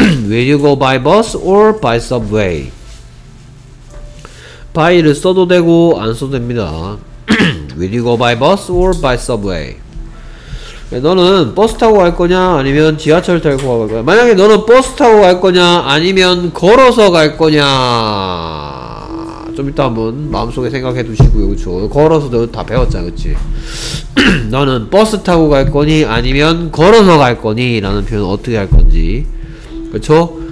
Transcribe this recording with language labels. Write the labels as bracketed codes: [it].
[en] Will you go by bus or by subway? [ko] by를 써도 되고 안 써도 됩니다. [en] Will you go by bus or by subway? [ko] 너는 버스 타고 갈 거냐 아니면 지하철 타고 갈 거냐? 만약에 너는 버스 타고 갈 거냐 아니면 걸어서 갈 거냐? 좀 이따 한번 마음속에 생각해 두시고요. 그쵸? 걸어서도 다 배웠잖아. 그치? 너는 버스 타고 갈 거니 아니면 걸어서 갈 거니 라는 표현 어떻게 할 건지. 그쵸?